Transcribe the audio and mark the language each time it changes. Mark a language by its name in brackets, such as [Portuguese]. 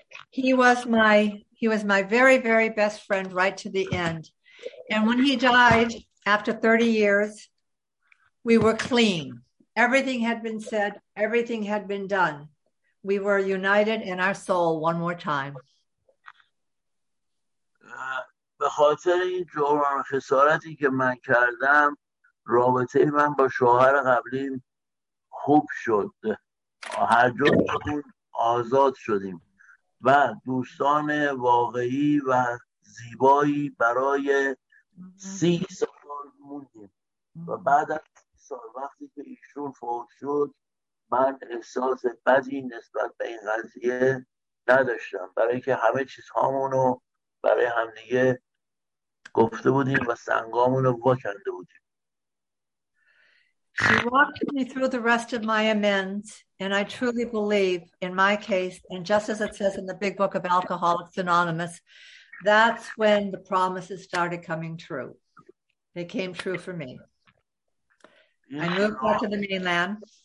[English] He was my very, very best friend right to the end. And when he died, after 30 years, we were clean. Everything had been said, everything had been done. We were united in our soul one more time. [Persian] به خاطر این جرم خسارتی که من کردم رابطه من با شوهر قبلیم خوب شد. هر جور آزاد شدیم و دوستان واقعی و زیبایی برای 30 سال موندیم و بعد از 30 سال وقتی که ایشون فوت شد من احساس بدی نسبت به این قضیه نداشتم، برای که همه چیز هامونو برای همدیگه گفته بودیم و سنگامونو وا کرده بودیم. [English] She walked me through the rest of my amends, and I truly believe in my case, and just as it says in the big book of Alcoholics Anonymous, that's when the promises started coming true. They came true for me. I moved back to the mainland.